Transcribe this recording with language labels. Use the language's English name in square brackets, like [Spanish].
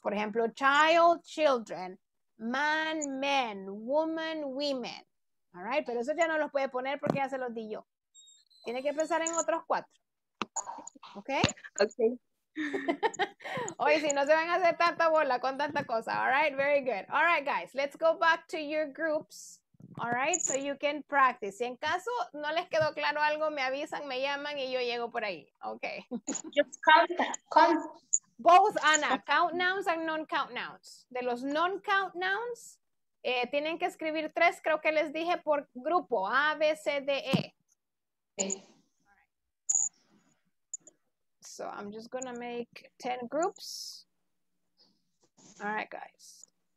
[Spanish] Por ejemplo, [English] child, children, man, men, woman, women. All right. [Spanish] Pero eso ya no los puede poner porque ya se los di yo. Tiene que pensar en otros cuatro. ¿Ok? [English] Ok. [Spanish] Oye, si no se van a hacer tanta bola con tanta cosa. [English] All right, very good. All right, guys, let's go back to your groups. All right, so you can practice. [Spanish] Si en caso no les quedó claro algo, me avisan, me llaman y yo llego por ahí. [English] Okay. Just count. Both, Ana, count nouns and non-count nouns. [Spanish] De los non-count nouns, tienen que escribir tres, creo que les dije, por grupo. [English] A, B, C, D, E. So I'm just going to make 10 groups. All right, guys.